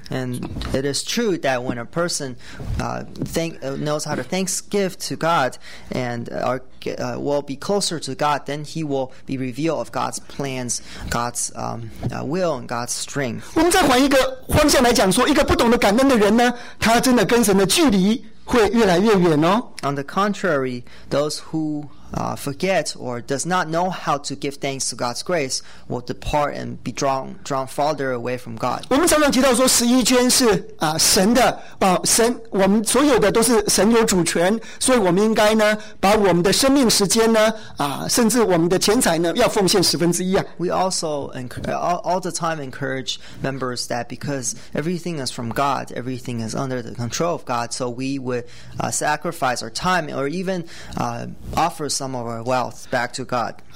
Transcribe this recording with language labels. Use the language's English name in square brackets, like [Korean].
[English] And it is true that when a person knows how to thanksgive to God and will be closer to God, then he will be revealed of God's plans, God's will, and God's strength. [Chinese] 我们再换一个方向来讲说，一个不懂得感恩的人呢，他真的跟神的距离会越来越远哦。 [English] On the contrary, those who forget or does not know how to give thanks to God's grace will depart and be drawn farther away from God. [Chinese] 我们常常提到说，十一捐是神的，把神我们所有的都是神有主权，所以我们应该呢，把我们的生命时间呢，甚至我们的钱财呢，要奉献十分之一啊。 [English] We also all the time encourage members that because everything is from God, everything is under the control of God, so we would sacrifice our time or even offer some of our wealth back to God.